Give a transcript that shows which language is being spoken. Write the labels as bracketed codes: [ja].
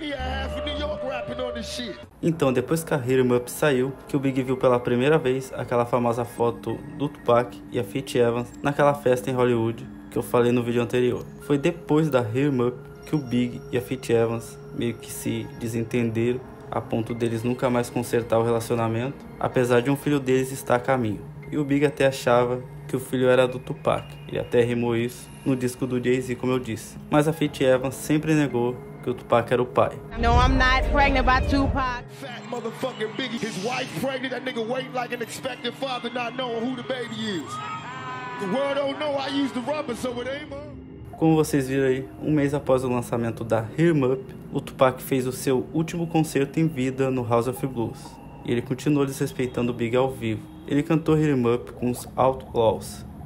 [en] He had half of New York rapping on this shit. [pt] Então, depois que a Hit 'Em Up saiu, que o Big viu pela primeira vez aquela famosa foto do Tupac e a Fit Evans naquela festa em Hollywood que eu falei no vídeo anterior. Foi depois da Hit 'Em Up que o Big e a Fit Evans meio que se desentenderam a ponto deles nunca mais consertar o relacionamento, apesar de um filho deles estar a caminho. E o Big até achava que o filho era do Tupac, ele até rimou isso no disco do Jay-Z, como eu disse. Mas a Fit Evans sempre negou que o Tupac era o pai. [en] No, I'm not pregnant by Tupac. Fat motherfucking Biggie, his wife pregnant, that nigga waiting like an expectant father, not knowing who the baby is. The world don't know I use the rubber, so it ain't mine. [pt] Como vocês viram aí, um mês após o lançamento da Hit 'Em Up, o Tupac fez o seu último concerto em vida no House of Blues. E ele continuou desrespeitando o Big ao vivo. Ele cantou Hit 'Em Up com os Outlaws.